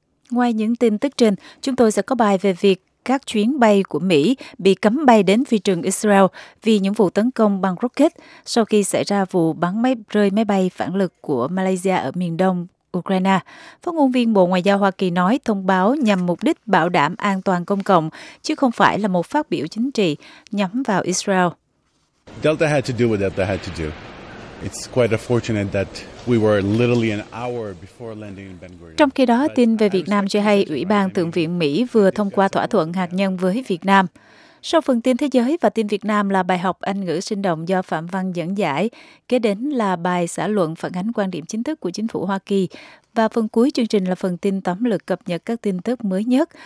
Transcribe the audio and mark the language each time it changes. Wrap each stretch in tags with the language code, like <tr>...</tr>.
<vi>Ngoài những tin tức trên, chúng tôi sẽ có bài về việc các chuyến bay của Mỹ bị cấm bay đến phi trường Israel vì những vụ tấn công bằng rocket sau khi xảy ra vụ bắn rơi máy bay phản lực của Malaysia ở miền đông Ukraine. Phát ngôn viên Bộ Ngoại giao Hoa Kỳ nói thông báo nhằm mục đích bảo đảm an toàn công cộng, chứ không phải là một phát biểu chính trị nhắm vào Israel.</vi> <en>Delta had to do what Delta had to do. It's quite unfortunate that we were literally an hour before landing in Ben Gurion.</en> <vi>Trong khi đó, tin về Việt Nam cho hay Ủy ban Thượng viện Mỹ vừa thông qua thỏa thuận hạt nhân với Việt Nam. Sau phần tin thế giới và tin Việt Nam là bài học Anh ngữ sinh động do Phạm Văn dẫn giải, kế đến là bài xã luận phản ánh quan điểm chính thức của chính phủ Hoa Kỳ. Và phần cuối chương trình là phần tin tóm lược cập nhật các tin tức mới nhất.</vi>